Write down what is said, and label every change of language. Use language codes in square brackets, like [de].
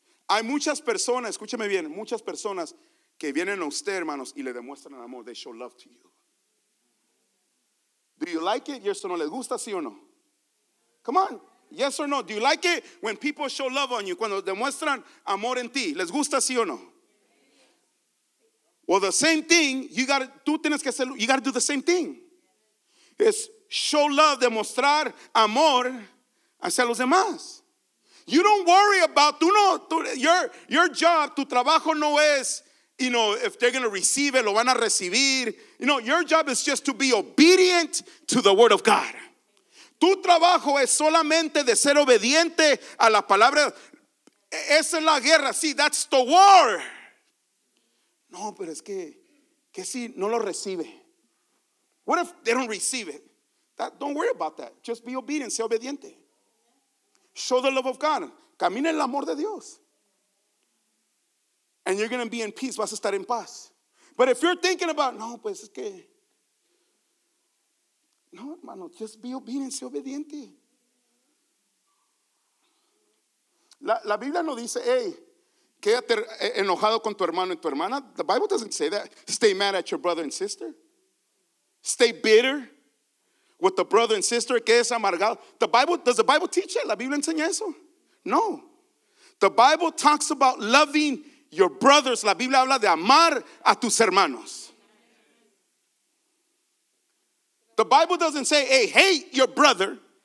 [es] Hay muchas personas, escúcheme bien, muchas personas que vienen a usted, hermanos, y le demuestran el amor. [en] They show love to you. Do you like it? [es] ¿Eso no les gusta, sí o no? [en] Come on. Yes or no? Do you like it when people show love on you? [es] Cuando demuestran amor en ti, ¿les gusta sí o no? [en] Well, the same thing, you got to do the same thing. It's show love, [es] demostrar amor hacia los demás. [en] You don't worry about, your job, [es] tu trabajo no es, [en] if they're going to receive it, [es] lo van a recibir. [en] Your job is just to be obedient to the word of God. [es] Tu trabajo es solamente de ser obediente a la palabra. Esa es la guerra. Sí, [en] that's the war. [es] No, pero es que si no lo recibe. [en] What if they don't receive it? Don't worry about that. Just be obedient. [es] Sea obediente. [en] Show the love of God. [es] Camina en el amor de Dios. [en] And you're going to be in peace. [es] Vas a estar en paz. [en] But if you're thinking about, [es] no, pues es que. No, hermano, [en] just be obedient, [es] sea obediente. La Biblia no dice, hey, quédate enojado con tu hermano y tu hermana. [en] The Bible doesn't say that. Stay mad at your brother and sister. Stay bitter with the brother and sister. [es] Quédese amargado. [en] Does the Bible teach it? [es] ¿La Biblia enseña eso? [en] No. The Bible talks about loving your brothers. [es] La Biblia habla de amar a tus hermanos. [en] The Bible doesn't say, hey, hate your brother.